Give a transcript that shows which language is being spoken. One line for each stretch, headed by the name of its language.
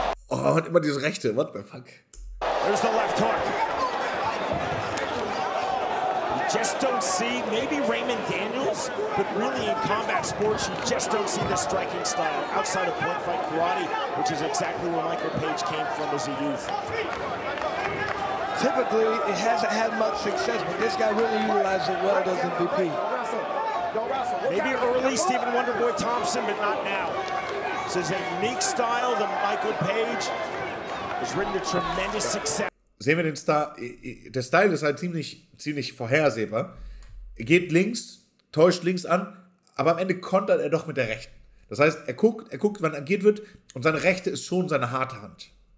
German: Oh, und immer diese rechte,
English: what the fuck. There's the left hook. Just don't see, maybe Raymond Daniels, but really in combat sports, you just don't see the striking style outside of point fight karate, which is exactly where Michael Page came from as a youth. Typically, it hasn't had much success, but this guy really utilized it well as MVP. Maybe early Stephen Wonderboy Thompson, but not now. This is a unique style that Michael Page has written a tremendous success.
German: Sehen wir den Style, der Style ist halt ziemlich vorhersehbar. Er geht links, täuscht links an, aber am Ende kontert er doch mit der rechten. Das heißt, er guckt, wann agiert wird und seine rechte ist schon seine harte Hand.